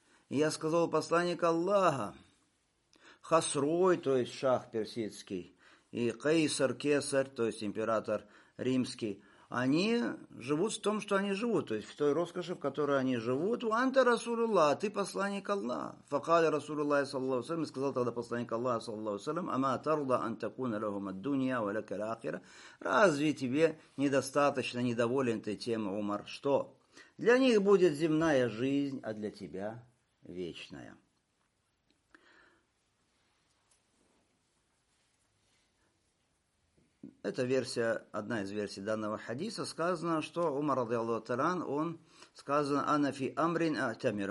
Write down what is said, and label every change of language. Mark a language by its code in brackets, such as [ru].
[ru] Я сказал, посланник Аллаха, хасрой, то есть шах персидский, и кейсар, кесарь, то есть император римский, они живут в том, что они живут, то есть в той роскоши, в которой они живут. [ar] وَأَنْتَ رَسُولُ اللَّهِ. [ru] Ты посланник Аллаха. [ar] فَقَالَ رَسُولُ اللَّهِ صَلَّى اللَّهُ عَلَيْهِ وَسَلَّمَ. [ru] Сказал тогда посланник Аллаха, [ar] صَلَّى اللَّهُ عَلَيْهِ وَسَلَّمَ, أَمَا تَرْضَى أَنْ تَكُونَ لَهُمَ الدُّنْيَا وَلَكَ الْآخِرَةَ. [ru] Разве тебе недостаточно, недоволен ты тем, Умар, что для них будет земная жизнь, а для тебя вечная. Это версия, одна из версий данного хадиса. Сказано, что Умар радиаллаху талан, он сказано, [ar] «Ана фи амрин а'тамир».